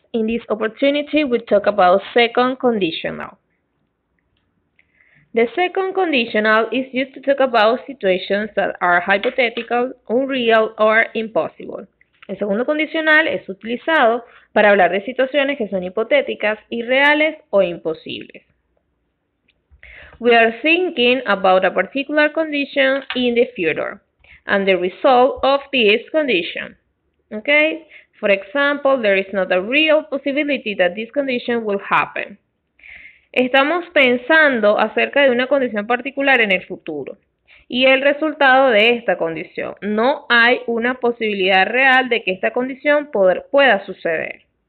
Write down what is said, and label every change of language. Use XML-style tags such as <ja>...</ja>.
<en>In this opportunity, we talk about second conditional. The second conditional is used to talk about situations that are hypothetical, unreal, or impossible.</en> <es>El segundo condicional es utilizado para hablar de situaciones que son hipotéticas, irreales, o imposibles.</es> <en>We are thinking about a particular condition in the future and the result of this condition. Okay? For example, there is not a real possibility that this condition will happen.</en> <es>Estamos pensando acerca de una condición particular en el futuro y el resultado de esta condición. No hay una posibilidad real de que esta condición pueda suceder.</es>